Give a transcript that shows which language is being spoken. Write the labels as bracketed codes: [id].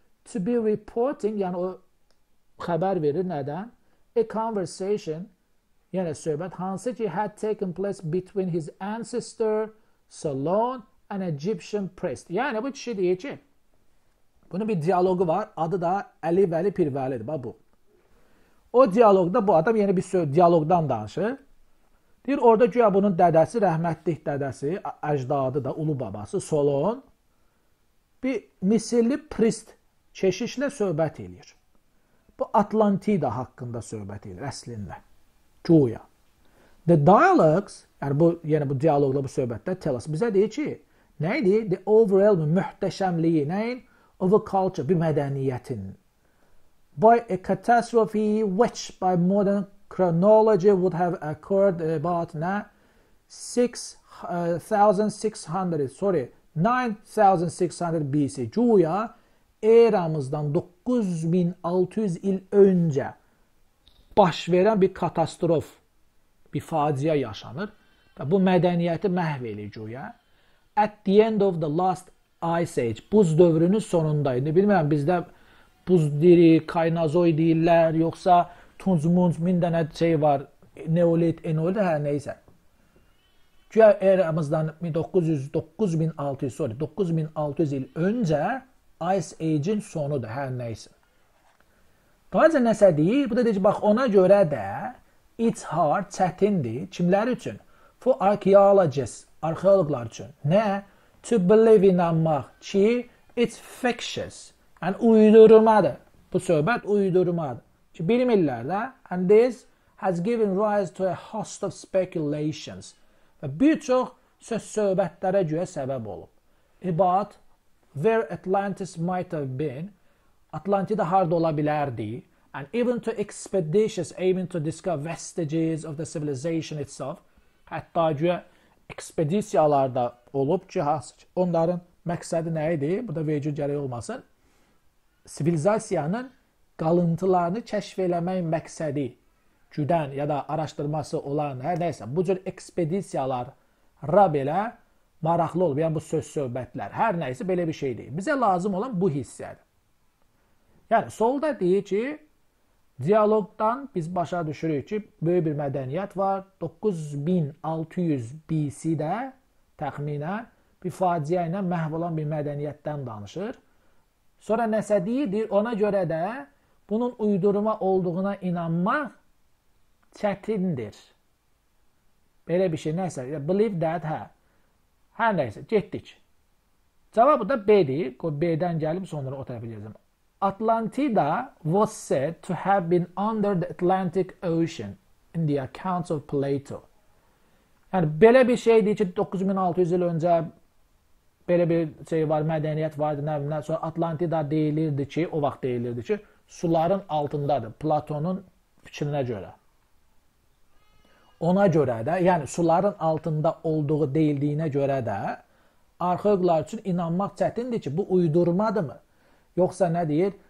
[en] To be reporting, [az] yəni o xəbər verir, nədən? [en] A conversation, [az] yəni söhbət, hansı ki, [en] had taken place between his ancestor, Solon, an Egyptian priest. [az] Yəni, bu kişi deyir ki, bunun bir diyaloqu var, adı da Əli Vəli Pirvəlidir, bu. O diyalogda bu adam yeni bir söz, diyalogdan danışır. Deyir, orada güya bunun dədəsi, rəhmətlik dədəsi, əcdadı da, ulu babası, Solon. Bir misirli prist keşişlə söhbət eləyir. Bu Atlantida haqqında söhbət eləyir əslində. Güya. [en] The dialogues, [az] yəni bu, yəni bu diyalogla bu söhbətdə Telos bizə deyir ki, nə idi? [en] The overwhelming [az] mühtəşəmliyi, nəyin? [en] Of a culture, [az] bir mədəniyyətin. [en] By a catastrophe which by modern chronology would have occurred about 6600 sorry 9600 BC. [az] Cuya eramızdan 9600 il öncə baş verən bir katastrof, bir faciə yaşanır və bu mədəniyyəti məhv eləyir Cuya. [en] At the end of the last ice age, [az] buz dövrünün sonunda idi. Bilmirəm bizdə buz diri, kaynazoy deyirlər, yoxsa tunz munz, min dənə şey var, neolit, enolit, hə neysə. Güya eramızdan 1900, 9600, sorry, 9600 il öncə Ice Age-in sonudur, hə neysə. Qalca nəsə deyir, bu da deyir ki, bax ona görə də [en] it's hard, [az] çətindir, kimlər üçün? [en] For archaeologists, [az] arxeologlar üçün. Nə? [en] To believe, [az] inanmaq ki, [en] it's fictitious. [az] Yəni, uydurmadır. Bu söhbət uydurmadır. Ki, bilmirlər də. [en] And this has given rise to a host of speculations. [az] Və bir çox söz söhbətlərə göre səbəb olub. [en] About where Atlantis might have been. [az] Atlantida harada ola bilərdi. [en] And even to expeditions aiming to discover vestiges of the civilization itself. [az] Hətta göre ekspedisiyalarda olub ki, onların məqsədi nə idi? Bu da vecu gərək olmasın. Sivilizasiyanın qalıntılarını kəşf eləmək məqsədi güdən ya da araşdırması olan hər nəsə bu cür ekspedisiyalara belə maraqlı olub. Yəni bu söz söhbətlər hər nəsə belə bir şey deyil. Bizə lazım olan bu hissədir. Yəni solda deyir ki, dialoqdan biz başa düşürük ki, böyük bir mədəniyyət var. 9600 BC-də təxminən bir faciə ilə məhv olan bir mədəniyyətdən danışır. Sonra nəsə deyir, ona görə də bunun uydurma olduğuna inanmaq çətindir. Belə bir şey nəsə, [en] believe that, [az] hə. Hə nəsə, getdik. Cavabı da B-dir, B-dən gəlim, sonra o tərəfə gəlirəm. [en] Atlantida was said to have been under the Atlantic Ocean in the accounts of Plato. [az] Yəni, belə bir şey deyir ki, 9600 il öncə belə bir şey var, mədəniyyət var, nə, sonra Atlantida deyilirdi ki, o vaxt deyilirdi ki, suların altındadır, Platonun fikrinə görə. Ona görə də, yəni suların altında olduğu deyildiyinə görə də, arxeologlar üçün inanmaq çətindir ki, bu uydurmadır mı? Yoxsa nə deyir?